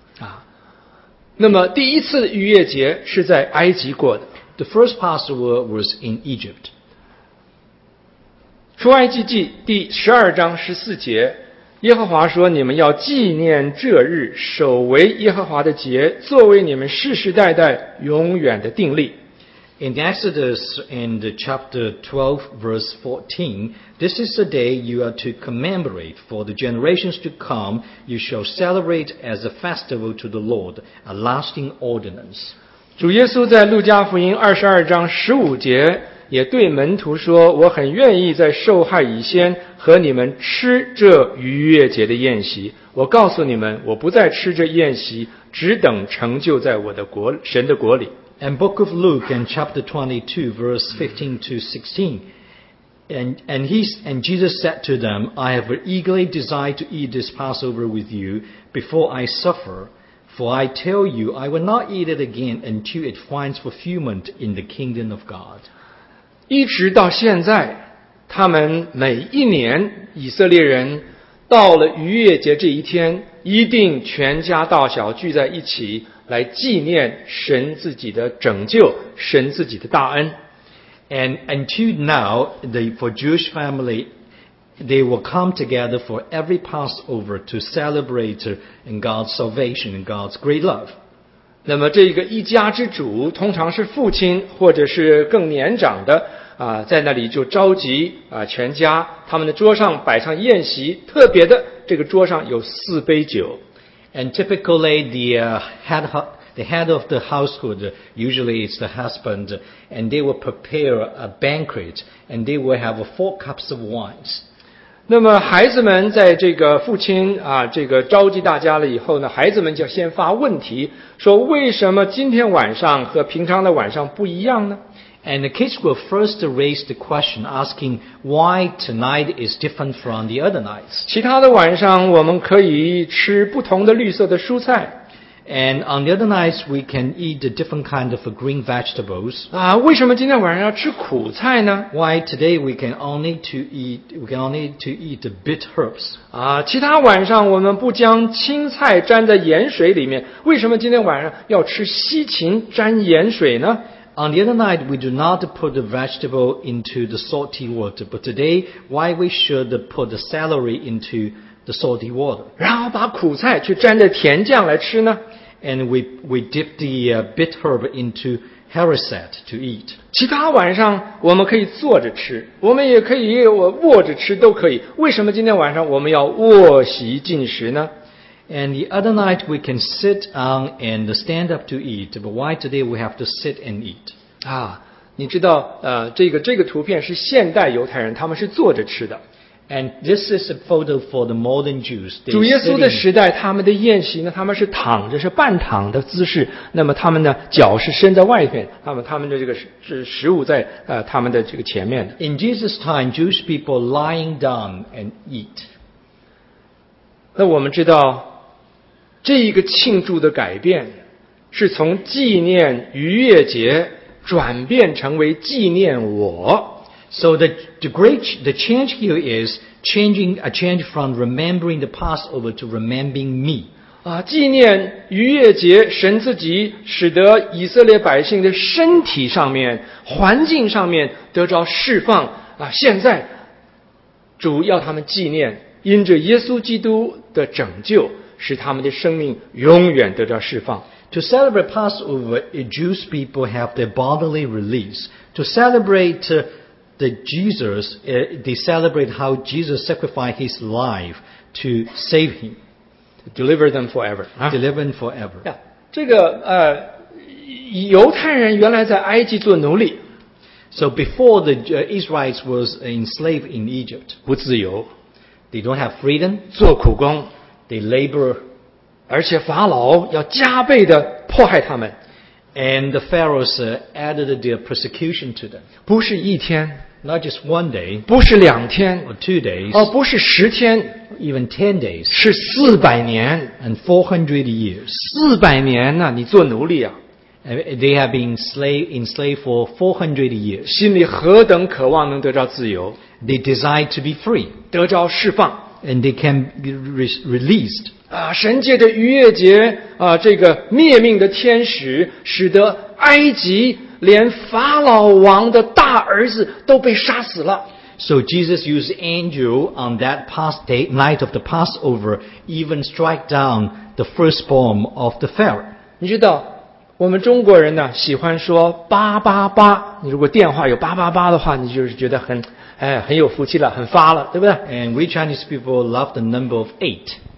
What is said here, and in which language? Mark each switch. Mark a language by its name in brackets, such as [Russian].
[Chinese] 啊，那么第一次逾越节是在埃及过的。 [English] The first Passover was in Egypt. [Chinese] 出埃及记第十二章十四节。耶和华说你们要纪念这日守为耶和华的节作为你们世世代代永远的定例。 [English] In Exodus and chapter 12 verse 14, this is the day you are to commemorate for the generations to come. You shall celebrate as a festival to the Lord, a lasting ordinance. [Chinese] 主耶稣在路加福音22章15节也对门徒说我很愿意在受害以先和你们吃这逾越节的宴席我告诉你们我不再吃这宴席只等成就在我的国神的国里 [English] And book of Luke and chapter 22 verse 15 to 16 and Jesus said to them I have eagerly desired to eat this Passover with you before I suffer for I tell you I will not eat it again until it finds fulfillment in the kingdom of God [Chinese] 一直到现在他们每一年以色列人到了逾越节这一天一定全家大小聚在一起来纪念神自己的拯救神自己的大恩 [English] And until now for Jewish family they will come together for every Passover to celebrate God's salvation and God's great love [Chinese] 那么这个一家之主通常是父亲或者是更年长的在那里就召集全家他们的桌上摆上宴席特别的这个桌上有四杯酒 [English] And typically the head of the household usually is the husband and they will prepare a banquet and they will have four cups of wine [Chinese] 那么孩子们在这个父亲这个召集大家了以后呢孩子们就先发问题说为什么今天晚上和平常的晚上不一样呢 [English] And the kids will first raise the question, asking why tonight is different from the other nights. [Chinese] 其他的晚上我们可以吃不同的绿色的蔬菜。 [English] And on the other nights, we can eat a different kind of green vegetables. [Chinese] 啊，为什么今天晚上要吃苦菜呢 [English] ？Why today we can only eat the bitter herbs. [Chinese] 啊，其他晚上我们不将青菜沾在盐水里面，为什么今天晚上要吃西芹沾盐水呢？ [English] On the other night, we do not put the vegetable into the salty water. But today, why we should put the celery into the salty water? [Chinese] 然后把苦菜去沾着甜酱来吃呢? [English] And we dip the bitter herb into haricot to eat. [Chinese] 其他晚上我们可以坐着吃，我们也可以卧着吃，都可以。为什么今天晚上我们要卧席进食呢？ [English] And the other night we can sit on and stand up to eat, but why today we have to sit and eat? [Chinese] 啊，你知道，这个图片是现代犹太人，他们是坐着吃的。 [English] And this is a photo for the modern Jews. [Chinese] 主耶稣的时代，他们的宴席呢，他们是躺着，是半躺的姿势。那么他们的脚是伸在外面，他们的这个食物在他们的这个前面的。 [English] In Jesus' time, Jewish people lying down and eat. [Chinese] 那我们知道这一个庆祝的改变是从纪念逾越节转变成为纪念我。 [English] So the change here is a change from remembering the Passover to remembering me. [Chinese] 啊，纪念逾越节，神自己使得以色列百姓的身体上面、环境上面得着释放。啊，现在主要他们纪念因着耶稣基督的拯救，使他们的生命永远得到释放。 [English] To celebrate Passover, Jewish people have their bodily release. To celebrate the Jesus, they celebrate how Jesus sacrificed his life to save him. To deliver them forever.、 Huh? Deliver them forever. [Chinese] Yeah, 这个犹太人原来在埃及做奴隶。 [English] So before the Israelites was enslaved in Egypt. [Chinese] 不自由。 [English] They don't have freedom. [Chinese] 做苦工 [English] They labor. [Chinese] 而且法老要加倍的迫害他们 [English] And the pharaohs added their persecution to them. [Chinese] 不是一天 [English] Not just one day. [Chinese] 不是两天 [English] Or 2 days. [Chinese] 不是十天 [English] Even 10 days. [Chinese] 是四百年 [English] And 400 years. [Chinese] 四百年呢、啊、你做奴隶啊 [English] They have been enslaved for 400 years. [Chinese] 心里何等渴望能得到自由 [English] They desire to be free. [Chinese] 得着释放 [English] And they can be released. [Chinese] 啊，神借着逾越节啊，这个灭命的天使，使得埃及连法老王的大儿子都被杀死了。 [English] So Jesus used angel on that past day, night of the Passover, even strike down the firstborn of the Pharaoh. [Chinese] 你知道我们中国人呢喜欢说八八八。你如果电话有八八八的话，你就是觉得很哎，很有福气了，很发了，对不对 [English] ？And we Chinese people love the number of eight.